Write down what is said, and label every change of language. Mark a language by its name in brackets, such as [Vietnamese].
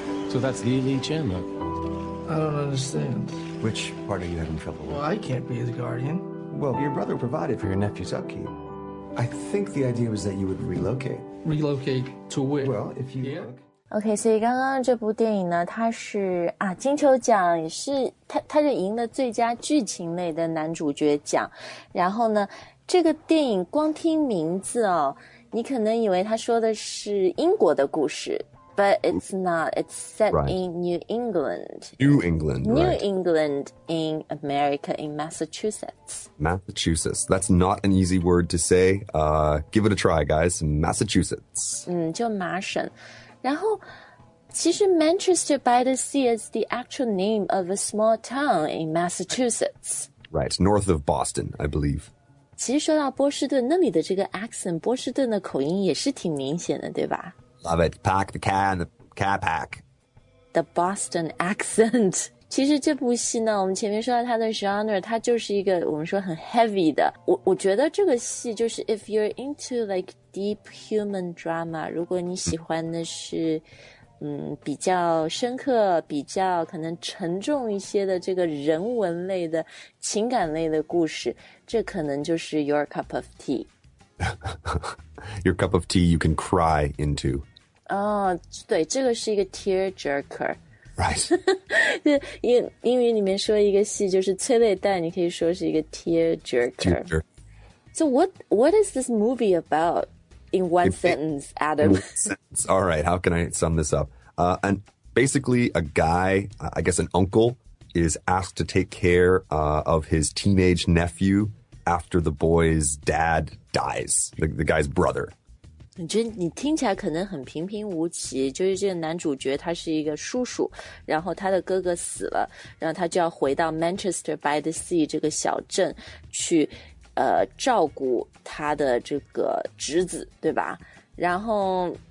[English] So that's Lee Lee Chen, huh? I don't understand. Which part are you having trouble with? Well, I can't be his guardian. Well, your brother provided for your nephew's upkeep. I think the idea was that you would relocate. Relocate to where? Well, if you、yeah? look... [Chinese] OK, 所以刚刚这部电影呢它是啊金球奖也是它就赢了最佳剧情类的男主角奖。然后呢这个电影光听名字哦你可能以为它说的是英国的故事。 [English] But it's not, it's set、 right. in New England. New England, New、 right. England in America, in Massachusetts. Massachusetts, that's not an easy word to say. Give it a try, guys, Massachusetts. [Chinese] 就麻省。然后其实 [English] Manchester by the Sea is the actual name of a small town in Massachusetts. Right, north of Boston, I believe. [Chinese] 其实说到波士顿那里的这个 accent, 波士顿的口音也是挺明显的对吧 [English] Love it, pack the cat and the cat pack. The Boston accent. [Chinese] 其实这部戏呢我们前面说到它的 genre, 它就是一个我们说很 heavy 的。我觉得这个戏就是 [English] if you're into like,Deep human drama, [Chinese] 如果你喜欢的是、比较深刻比较可能沉重一些的这个人文类的情感类的故事这可能就是 [English] your cup of tea. your cup of tea you can cry into. [Chinese] 哦、oh, 对这个是一个 tear jerker. [English] Right. [Chinese] 英语里面说一个戏就是催泪弹你可以说是一个 tear jerker. [English] So what is this movie about? In one sentence, Adam. sentence. All right, how can I sum this up? And basically, a guy, I guess an uncle, is asked to take care of his teenage nephew after the boy's dad dies, the guy's brother. [Chinese] 你听起来可能很平平无奇，就是这个男主角他是一个叔叔，然后他的哥哥死了，然后他就要回到 Manchester by the Sea 这个小镇去照顾他的这个侄子，对吧？然后